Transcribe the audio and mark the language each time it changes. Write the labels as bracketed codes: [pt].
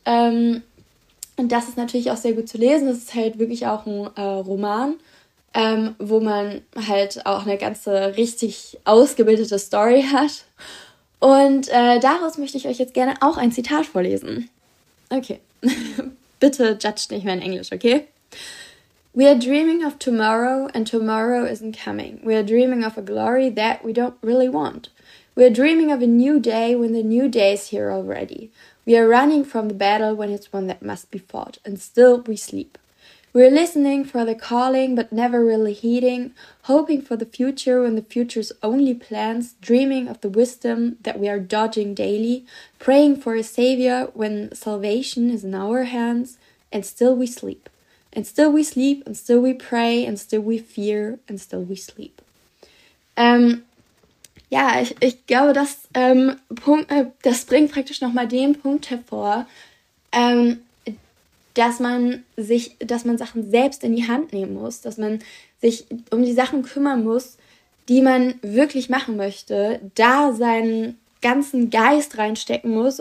[de] Und das ist natürlich auch sehr gut zu lesen. Das ist halt wirklich auch ein Roman, wo man halt auch eine ganze richtig ausgebildete Story hat. Und daraus möchte ich euch jetzt gerne auch ein Zitat vorlesen. Okay. Bitte judge nicht mehr in Englisch, okay? [en] We are dreaming of tomorrow and tomorrow isn't coming. We are dreaming of a glory that we don't really want. We are dreaming of a new day when the new day is here already. We are running from the battle when it's one that must be fought, and still we sleep. We are listening for the calling but never really heeding, hoping for the future when the future's only plans, dreaming of the wisdom that we are dodging daily, praying for a savior when salvation is in our hands, and still we sleep. And still we sleep, and still we pray, and still we fear, and still we sleep. [de] Ja, ich glaube, das bringt praktisch nochmal den Punkt hervor, dass man Sachen selbst in die Hand nehmen muss, dass man sich um die Sachen kümmern muss, die man wirklich machen möchte, da seinen ganzen Geist reinstecken muss.